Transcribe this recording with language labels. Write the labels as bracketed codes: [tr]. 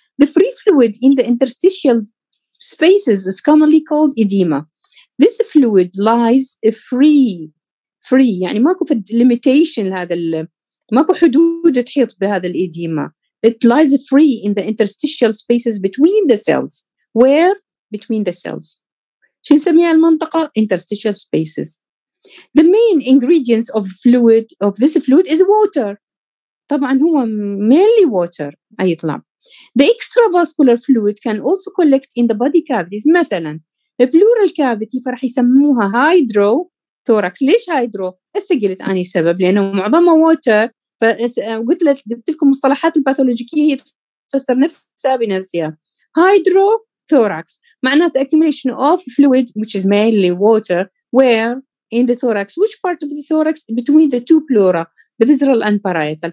[en] the free fluid in the interstitial spaces is commonly called edema. This fluid lies free. [ar] يعني ماكو في limitation لهذا ال ماكو حدود تحيط بهذا الإديما. [en] It lies free in the interstitial spaces between the cells. Where? Between the cells. [ar] شو نسميها المنطقة؟ [en] interstitial spaces. The main ingredients of fluid of this fluid is water. [ar] طبعا هو [en] mainly water. [ar] أي طلع. [en] The extravascular fluid can also collect in the body cavities. [ar] مثلا pleural cavity فرح يسموها hydrothorax. ليش hydro؟ هسه قلت أني سبب، لأنه معظمه water. فقلت لكم مصطلحات الباثولوجيكية هي تفسر نفسها بنفسها. [en] hydrothorax معناه accumulation of fluid which is mainly water. where? in the thorax. which part of the thorax? between the two pleura, the visceral and parietal.